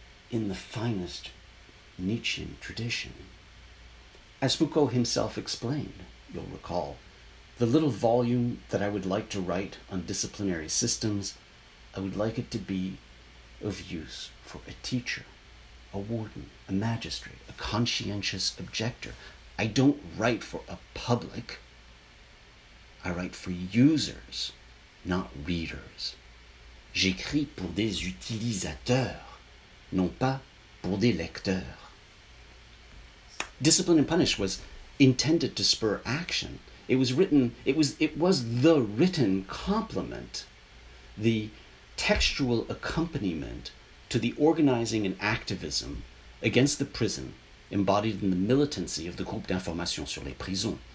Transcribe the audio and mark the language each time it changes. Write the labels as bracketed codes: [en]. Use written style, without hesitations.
[en] In the finest Nietzschean tradition, as Foucault himself explained, you'll recall, the little volume that I would like to write on disciplinary systems, I would like it to be of use for a teacher, a warden, a magistrate, a conscientious objector. I don't write for a public. I write for users, not readers. [fr] J'écris pour des utilisateurs, non pas pour des lecteurs. [en] Discipline and Punish was intended to spur action. It was the written complement, the textual accompaniment to the organizing and activism against the prison embodied in the militancy of the Groupe d'Information sur les Prisons.